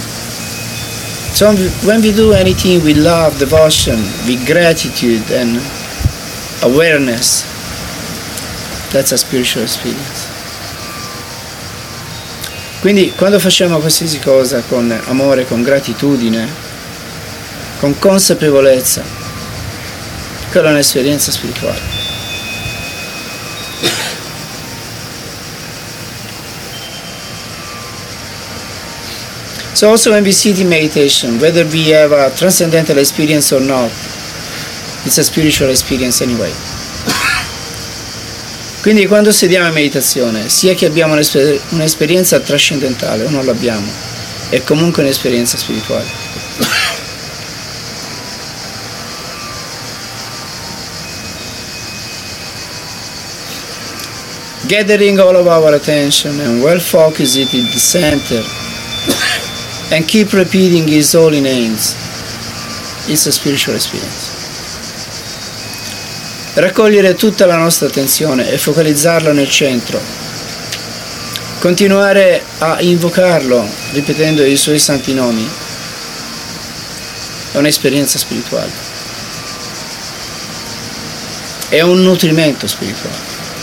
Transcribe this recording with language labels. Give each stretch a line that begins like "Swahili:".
English: So when we do anything with love, devotion, with gratitude and awareness, that's a spiritual experience.
Italian: Quindi quando facciamo qualsiasi cosa con amore, con gratitudine, con consapevolezza, quella è un'esperienza spirituale.
English: So also when we sit in meditation, whether we have a transcendental experience or not, it's a spiritual experience anyway.
Italian: Quindi quando sediamo in meditazione, sia che abbiamo un'esperienza trascendentale o non l'abbiamo, è comunque un'esperienza spirituale.
English: Gathering all of our attention and well focused in the center and keep repeating his holy names, it's a spiritual experience.
Italian: Raccogliere tutta la nostra attenzione e focalizzarla nel centro, continuare a invocarlo ripetendo i suoi santi nomi, è un'esperienza spirituale, è un nutrimento spirituale.